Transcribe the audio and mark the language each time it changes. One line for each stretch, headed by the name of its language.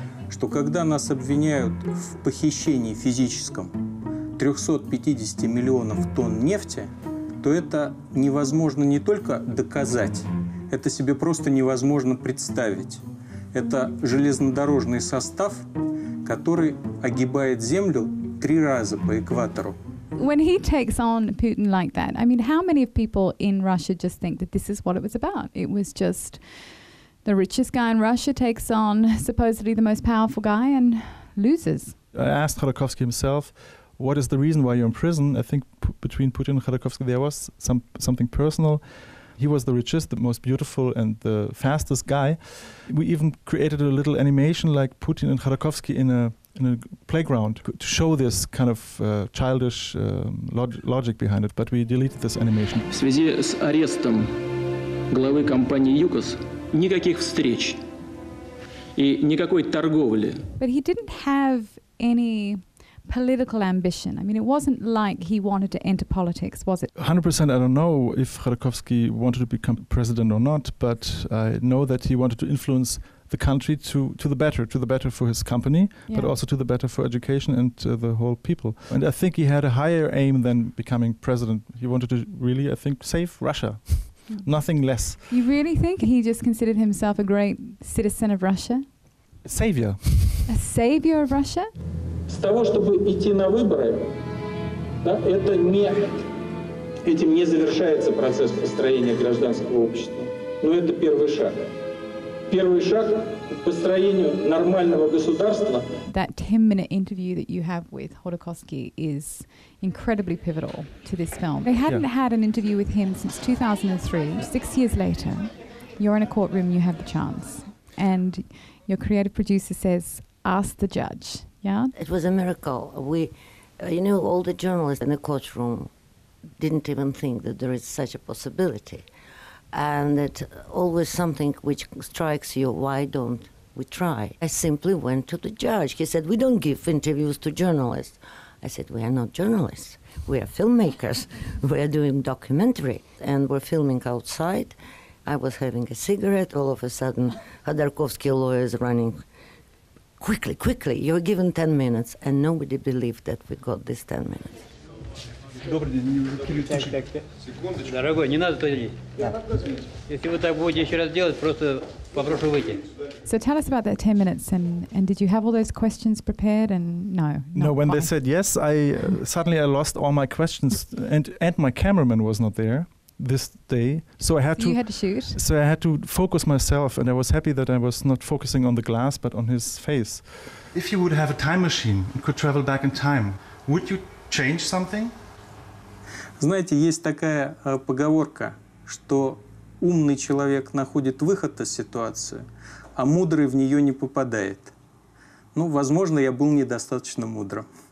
Russian: Что когда нас обвиняют в похищении физическом 350 миллионов тонн нефти, то это невозможно не только доказать, это себе просто невозможно представить. Это железнодорожный состав, который огибает Землю три раза по экватору.
English: When he takes on Putin like that, I mean, how many of people in Russia just think that this is what it was about? It was just the richest guy in Russia takes on supposedly the most powerful guy and loses. I asked Khodorkovsky himself, what is the reason why you're in prison? I think between Putin and Khodorkovsky there was something personal. He was the richest, the most beautiful and the fastest guy. We even created a little animation like Putin and Khodorkovsky in a playground to show this kind of childish logic behind it, but we deleted this animation.
Russian: В связи с арестом главы компании Yukos никаких встреч и никакой торговли.
English: But he didn't have any political ambition? I mean, it wasn't like he wanted to enter politics, was it? 100%, I don't know if Khodorkovsky wanted to become president or not, but I know that he wanted to influence the country to the better for his company, but also to the better for education and the whole people. And I think he had a higher aim than becoming president. He wanted to really, I think, save Russia. Nothing less. You really think he just considered himself a great citizen of Russia? Savior. A savior of Russia?
Russian: С того, чтобы идти на выборы, да, это не, этим не завершается процесс построения гражданского общества. Но это первый шаг. Первый шаг к построению нормального государства.
English: That 10-minute interview that you have with Khodorkovsky is incredibly pivotal to this film. They hadn't had an interview with him since 2003. 6 years later, you're in a courtroom, you have the chance. And your creative producer says, ask the judge. Yeah? It was a miracle. We, you know, all the journalists in the courtroom didn't even think that there is such a possibility. And that always something which strikes you, why don't we try? I simply went to the judge. He said, we don't give interviews to journalists. I said, we are not journalists. We are filmmakers. We are doing documentary. And we're filming outside. I was having a cigarette. All of a sudden, Khodorkovsky lawyer is running. Quickly, quickly, you're given 10 minutes. And nobody believed that we got this 10 minutes.
Russian: Добрый день, секундочку. Дорогой, не надо туда идти. Если вы так будете еще раз делать, просто попрошу выйти.
English: So tell us about that 10 minutes and did you have all those questions prepared and no? No, when why? They said yes, suddenly I lost all my questions and my cameraman was not there this day. So I had to shoot. So I had to focus myself and I was happy that I was not focusing on the glass but on his face. If you would have a time machine and could travel back in time, would you change something?
Russian: Знаете, есть такая поговорка, что умный человек находит выход из ситуации, а мудрый в нее не попадает. Ну, возможно, я был недостаточно мудрым.